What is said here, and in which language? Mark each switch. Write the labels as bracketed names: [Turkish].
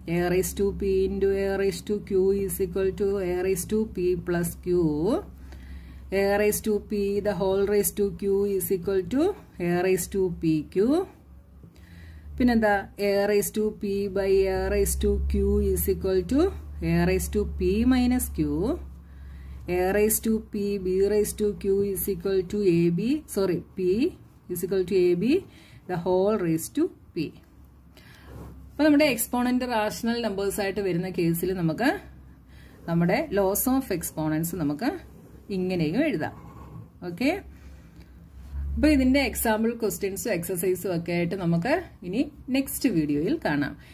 [English] A raise to P into A raise to Q is equal to A raise to P plus Q. A raise to P the whole raise to Q is equal to A raise to P Q. [Malayalam] പിന്നെന്താ? [English] A raise to P by A raise to Q is equal to A raise to P minus Q. A raised to P, B raised to Q is equal to AB, sorry, P is equal to AB, the whole raised to P. [Malayalam] അപ്പോൾ നമ്മുടെ exponent rational numbers ആയിട്ട് വരുന്ന കേസിൽ നമുക്ക് നമ്മുടെ loss of exponents നമുക്ക് ഇങ്ങനെയും എഴുതാം. ഓക്കെ, അപ്പോൾ ഇതിൻ്റെ എക്സാമ്പിൾ ക്വസ്റ്റ്യൻസും എക്സസൈസും ഒക്കെ ആയിട്ട് നമുക്ക് ഇനി നെക്സ്റ്റ് വീഡിയോയിൽ കാണാം.